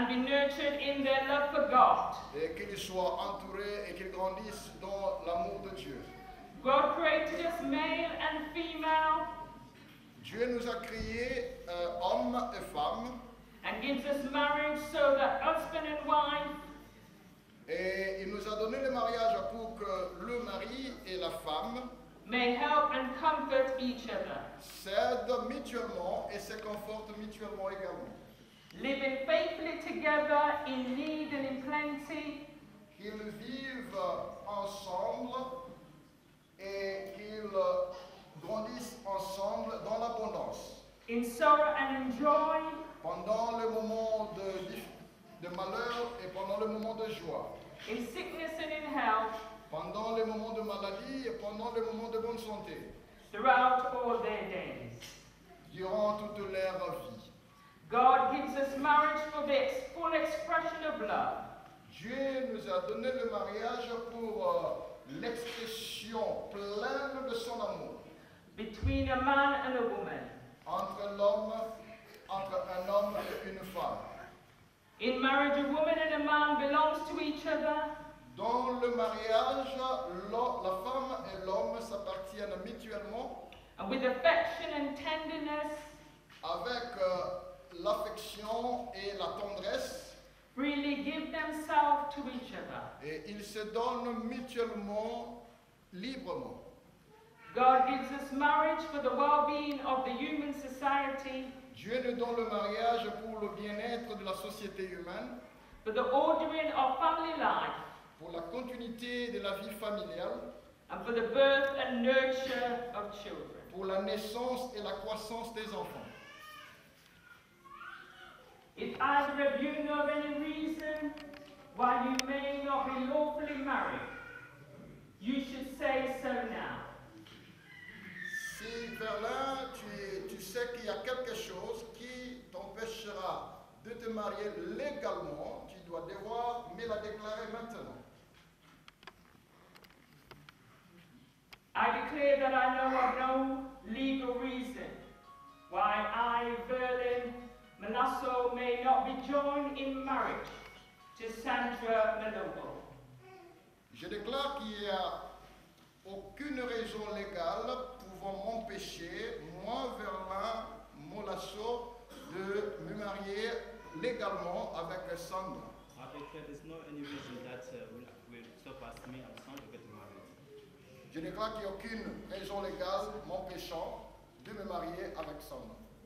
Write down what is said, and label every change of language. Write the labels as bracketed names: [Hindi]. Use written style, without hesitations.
[English] and be nurtured in their love for God. [French] Et qu'ils soient entourés et qu'ils grandissent dans l'amour de Dieu. [English] God created us male and female. [French] Dieu nous a créés hommes et femmes. [English] And gives us marriage so that husband and wife. [French] Et il nous a donné le mariage pour que le mari et la femme [English] may help and comfort each other. [French] S'aident mutuellement et se confortent mutuellement également. [English] Living faithfully together in need and in plenty. [French] Qu'ils vivent ensemble et qu'ils grandissent ensemble dans l'abondance. [English] In sorrow and in joy. [French] Pendant le moment de malheur et pendant le moment de joie. [English] In sickness and in health. [French] Pendant les moments de maladie et pendant les moments de bonne santé. [English] Throughout all their days. [French] Durant toute leur vie. [English] God gives us marriage for the full expression of love. [French] Dieu nous a donné le mariage pour l'expression pleine de son amour. [English] Between a man and a woman. [French] Entre un homme et une femme. [English] In marriage, a woman and a man belongs to each other. [French] Dans le mariage, la femme et l'homme s'appartiennent mutuellement. [English] And with affection and tenderness. [French] Avec l'affection et la tendresse. [English] Freely give themselves to each other. [French] Et ils se donnent mutuellement, librement. [English] God gives us marriage for the well-being of the human society. [French] Dieu nous donne le mariage pour le bien-être de la société humaine. [English] For the ordering of family life. [French] Pour la continuité de la vie familiale. [English] And for the birth and nurture of children. [French] Pour la naissance et la croissance des enfants. [English] If either of you know any reason why you may not be lawfully married, you should say so now. [French] Si Berlin, tu sais qu'il y a quelque chose qui t'empêchera de te marier légalement, tu dois devoir me la déclarer maintenant. [English] I declare that I know of no legal reason why I, Verlin Manasso, may not be joined in marriage to Sandra Manobo. [French] Je déclare qu'il n'y a aucune raison légale pouvant m'empêcher, moi, Verlin Manasso, de me marier légalement avec Sandra. [English] I declare there's not any reason that will stop us me and Sandra getting married. [French] Je ne crois qu'il n'y a aucune raison légale m'empêchant de me marier avec Sandra.